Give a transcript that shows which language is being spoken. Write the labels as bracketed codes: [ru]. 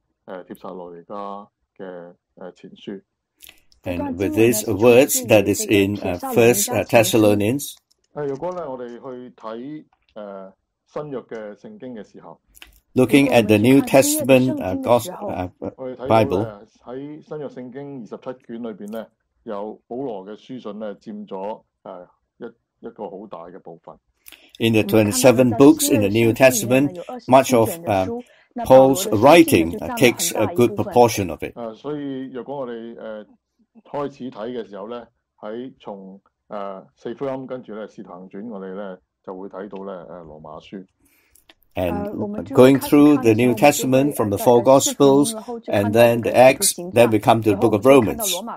[zh] 在这一段的经文里面是出自于帖撒罗尼迦的前书。 [en] And with these words that is in 1 Thessalonians, [zh] 如果我们去看新约的圣经的时候, [en] Looking at the New Testament Bible, [zh] 在新约圣经27卷里面, 有保罗的书信占了一个很大的部分。 [en] In the 27 books in the New Testament, much of Paul's writing takes a good proportion of it. [zh] 所以如果我们开始看的时候,从四福音跟着使徒行传,我们就会看到罗马书。 [en] And going through the New Testament from the four Gospels and then the Acts, then we come to the book of Romans.